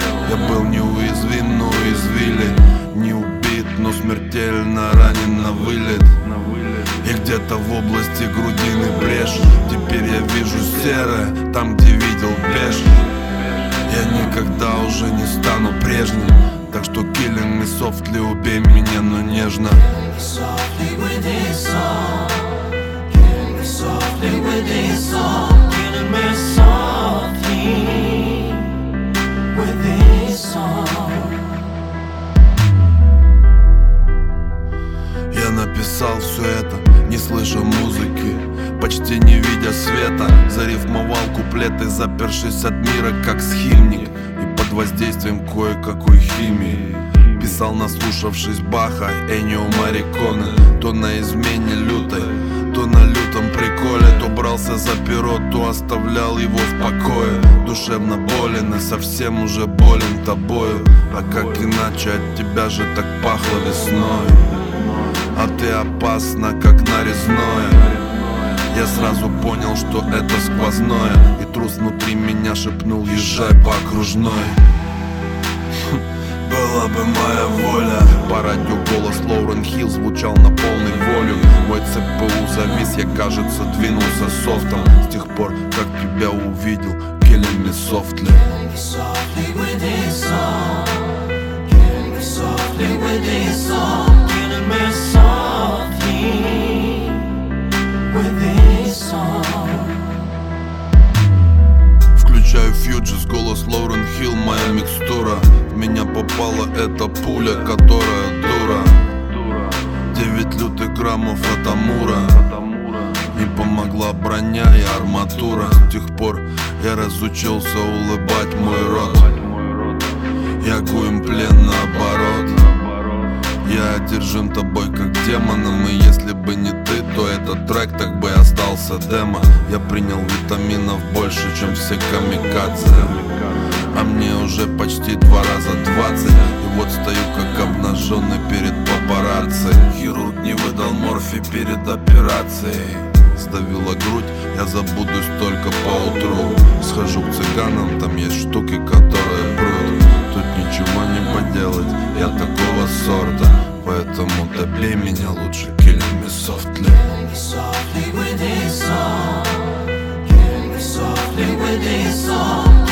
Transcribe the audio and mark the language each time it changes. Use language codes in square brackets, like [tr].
[ru] Я был неуязвим, но извили, не убит, но смертельно ранен на вылет. И где-то в области грудины брешь, теперь я вижу серое, там где видел беж. Я никогда уже не стану прежним, так что [en] killing me softly, [ru] убей меня, но нежно. [en] Killing me softly with this song, killing me softly with this song, killing me softly with this song. [ru] Я написал все это, не слыша музыки, почти не видя света, зарифмовал куплеты, запершись от мира, как схимник. Воздействием кое-какой химии писал, наслушавшись Баха, Эннио Морриконе. То на измене лютой, то на лютом приколе, то брался за перо, то оставлял его в покое. Душевно болен и совсем уже болен тобою. А как иначе, от тебя же так пахло весной. А ты опасна, как нарезное. Я сразу понял, что это сквозное, и трус внутри меня шепнул: езжай по окружной. Была бы моя воля. По радио голос Лоурен Хилл звучал на полный волю. Мой ЦПУ завис, я, кажется, двинулся софтом. С тех пор, как тебя увидел, [en] killing me softly. Killing me softly with this song, killing me softly with this song, killing me softly with this song. [ru] Включаю фьючерс, голос Лоурен Хилл, моя микстура. В меня попала эта пуля, которая дура. 9 лютых граммов от Амура. Не помогла броня и арматура. С тех пор я разучился улыбать мой рот. Я гуем плен наоборот. Я одержим тобой как демоном, и если бы не ты, то этот трек так бы остался демо. Я принял витаминов больше, чем все камикадзе, а мне уже почти 2 раза 20. И вот стою как обнаженный перед папарацци. Хирург не выдал морфий перед операцией. Сдавила грудь, я забудусь только поутру. Схожу к цыганам, там есть штуки, которые брут. Тут ничего не поделать, я такого сорта. Поэтому добей меня лучше, [en] killing me softly. Killing me softly with this song, killing me softly with this song.